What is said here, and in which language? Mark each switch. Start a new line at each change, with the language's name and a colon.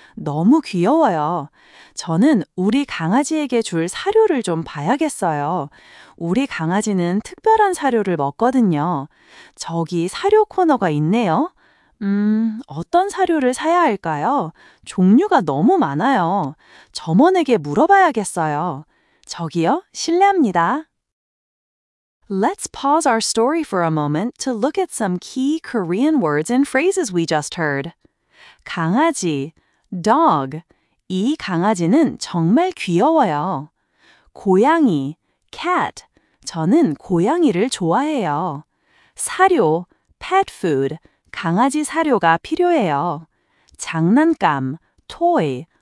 Korean: 너무 귀여워요. 저는 우리 강아지에게 줄 사료를 좀 봐야겠어요. 우리 강아지는 특별한 사료를 먹거든요. 저기 사료 코너가 있네요. 어떤 사료를 사야 할까요? 종류가 너무 많아요. 점원에게 물어봐야겠어요. 저기요, 실례합니다.
English: Let's pause our story for a moment to look at some key Korean words and phrases we just heard.
Korean: 강아지, dog. 이 강아지는 정말 귀여워요. 고양이, cat. 저는 고양이를 좋아해요. 사료, pet food. 강아지 사료가 필요해요. 장난감, toy.